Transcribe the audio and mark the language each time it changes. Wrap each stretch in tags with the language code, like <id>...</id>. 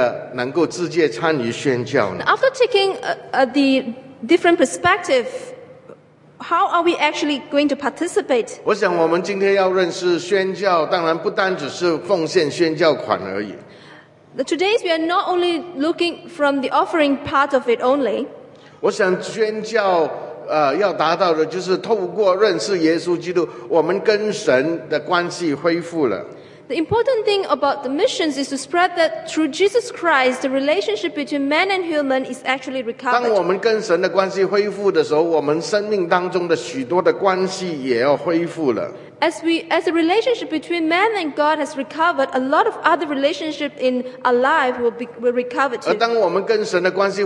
<zh>那我们讲了不同的角度看宣教的时候，我们最后要问：那么我们要怎么样的能够直接参与宣教呢？</zh> <en>After taking the different perspective, how are we actually going to participate?</en> <zh>我想我们今天要认识宣教，当然不单只是奉献宣教款而已。</zh> <en>Today we are not only looking from the offering part of it only.</en> <zh>我想宣教。要达到的就是透过认识耶稣基督，我们跟神的关系恢复了。</zh> <en>The important thing about the missions is to spread that through Jesus Christ, the relationship between man and human is actually recovered.</en> <zh>当我们跟神的关系恢复的时候，我们生命当中的许多的关系也要恢复了。</zh> <en>As the relationship between man and God has recovered, a lot of other relationships in our life will recover too.</en>